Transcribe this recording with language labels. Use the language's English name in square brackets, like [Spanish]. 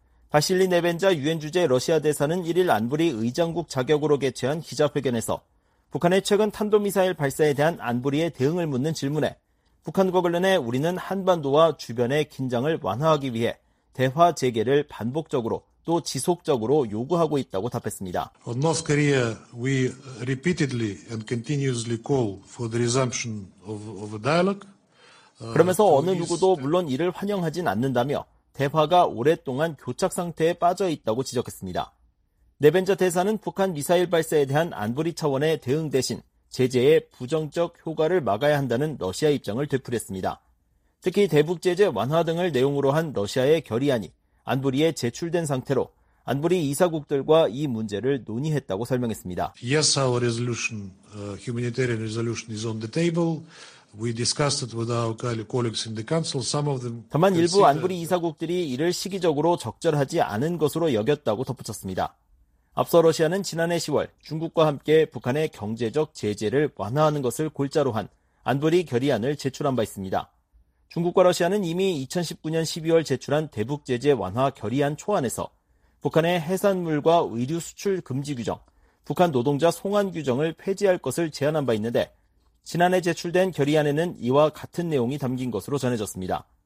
[Korean] 바실리 네벤자 유엔 주재 러시아 대사는 1일 안보리 의장국 자격으로 개최한 기자회견에서 북한의 최근 탄도미사일 발사에 대한 안보리의 대응을 묻는 질문에 북한과 관련해 우리는 한반도와 주변의 긴장을 완화하기 위해 대화 재개를 반복적으로 또 지속적으로 요구하고 있다고 답했습니다. [English] On North Korea, we repeatedly and continuously call for the resumption of a dialogue. [Korean] 그러면서 어느 누구도 물론 이를 환영하진 않는다며 대화가 오랫동안 교착 상태에 빠져 있다고 지적했습니다. 네벤자 대사는 북한 미사일 발사에 대한 안보리 차원의 대응 대신 제재의 부정적 효과를 막아야 한다는 러시아 입장을 되풀이했습니다. 특히 대북 제재 완화 등을 내용으로 한 러시아의 결의안이 안보리에 제출된 상태로 안보리 이사국들과 이 문제를 논의했다고 설명했습니다. [English] Yes, our resolution, humanitarian resolution is on the table. We discussed it with our colleagues in the council. Some of them. [Korean] 다만 일부 안보리 이사국들이 이를 시기적으로 적절하지 않은 것으로 여겼다고 덧붙였습니다. 앞서 러시아는 지난해 10월 중국과 함께 북한의 경제적 제재를 완화하는 것을 골자로 한 안보리 결의안을 제출한 바 있습니다. 중국과 러시아는 이미 2019년 12월 제출한 대북 제재 완화 결의안 초안에서 북한의 해산물과 의류 수출 금지 규정, 북한 노동자 송환 규정을 폐지할 것을 제안한 바 있는데 지난해 제출된 결의안에는 이와 같은 내용이 담긴 것으로 전해졌습니다.